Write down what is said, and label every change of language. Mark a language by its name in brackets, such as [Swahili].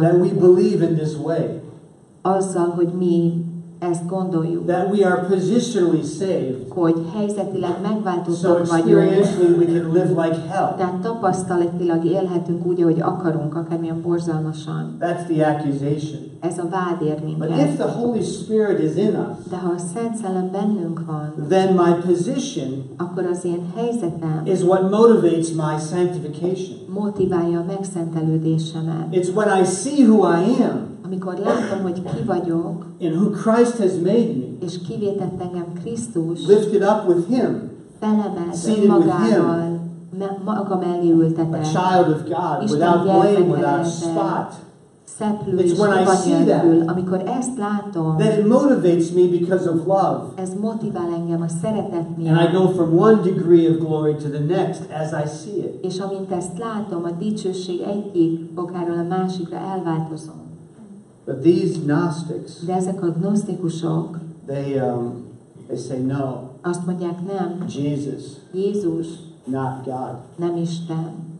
[English] That we believe in this way. [Hungarian] Azzal, hogy mi ezt gondoljuk, [English] that we are positionally saved, [Hungarian] hogy helyzetileg megváltoztak [English] so [Hungarian] vagyunk, [English] we can live like hell. [Hungarian] Tehát tapasztalatilag élhetünk úgy, ahogy akarunk, akármilyen borzalmasan. [English] That's the accusation. [Hungarian] Ez a vád ér minket. [English] But if the Holy Spirit is in us, [Hungarian] de ha a Szent Szellem bennünk van, [English] then my position, [Hungarian] akkor az én helyzetem, [English] is what motivates my sanctification. [Hungarian] Motiválja a megszentelődésemet. [English] It's when I see who I am, [Hungarian] amikor látom, hogy ki vagyok, [English] and who Christ has made me, [Hungarian] és kivé tett engem Krisztus, [English] lifted up with him, [Hungarian] felemelt magával, maga mellé ültetett, [English] a child of God, without blame, without spot. It's when I see that, [Hungarian] amikor ezt látom, [English] that it motivates me because of love. [Hungarian] Ez motivál engem a szeretet miatt. [English] And I go from one degree of glory to the next as I see it. [Hungarian] És amint ezt látom, a dicsőség egyik fokáról a másikra elváltozom. [English] But these Gnostics, [Hungarian] de ezek a gnosztikusok, [English] they say no. [Hungarian] Azt mondják, nem. [English] Jesus. [Hungarian] Jézus. [English] Not God. [Hungarian] Nem Isten.